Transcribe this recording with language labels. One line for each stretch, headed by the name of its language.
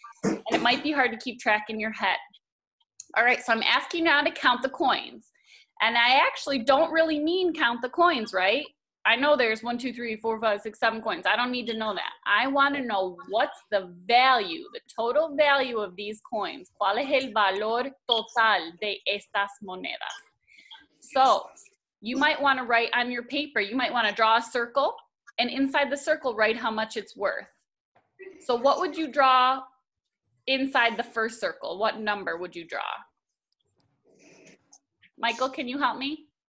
English: And it might be hard to keep track in your head. All right, so I'm asking now to count the coins. And I actually don't really mean count the coins, right? I know there's 1, 2, 3, 4, 5, 6, 7 coins. I don't need to know that. I want to know what's the value, the total value of these coins.
Spanish: ¿Cuál es el valor total de estas monedas?
English: So you might want to write on your paper, you might want to draw a circle, and inside the circle, write how much it's worth. So what would you draw inside the first circle? What number would you draw? Michael, can you help me?